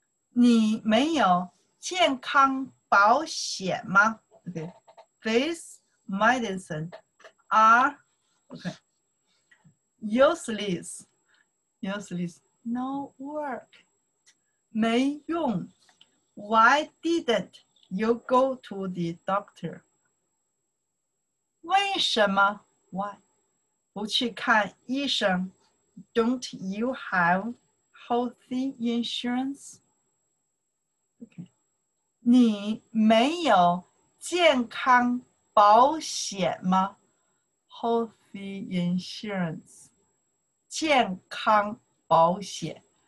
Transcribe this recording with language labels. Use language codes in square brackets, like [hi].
[zh] 你没有健康保险吗 [en] ？Okay, this medicine are okay useless, no work, [zh] 没用。 [en] Why didn't you go to the doctor? [zh] 为什么 [en] why [zh] 不去看医生？ [en] Don't you have healthy insurance? Okay. [zh] 你没有健康保险吗? [en] Healthy insurance. 健康保险。